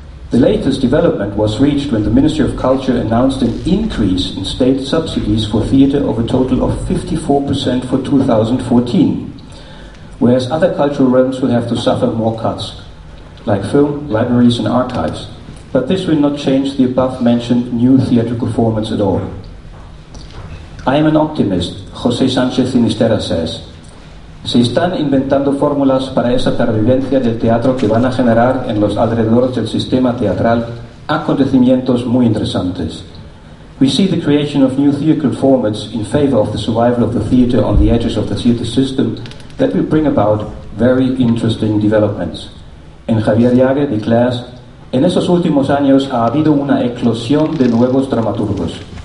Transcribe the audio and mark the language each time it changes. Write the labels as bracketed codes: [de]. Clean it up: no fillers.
[en] The latest development was reached when the Ministry of Culture announced an increase in state subsidies for theatre of a total of 54% for 2014, whereas other cultural realms will have to suffer more cuts, like film, libraries and archives. But this will not change the above-mentioned new theatrical formats at all. I am an optimist, José Sánchez Sinisterra says. [es] Se están inventando fórmulas para esa pervivencia del teatro que van a generar en los alrededores del sistema teatral acontecimientos muy interesantes. [en] We see the creation of new theatrical formats in favor of the survival of the theater on the edges of the theater system that will bring about very interesting developments. And Javier Jager declares, [es] en esos últimos años ha habido una eclosión de nuevos dramaturgos.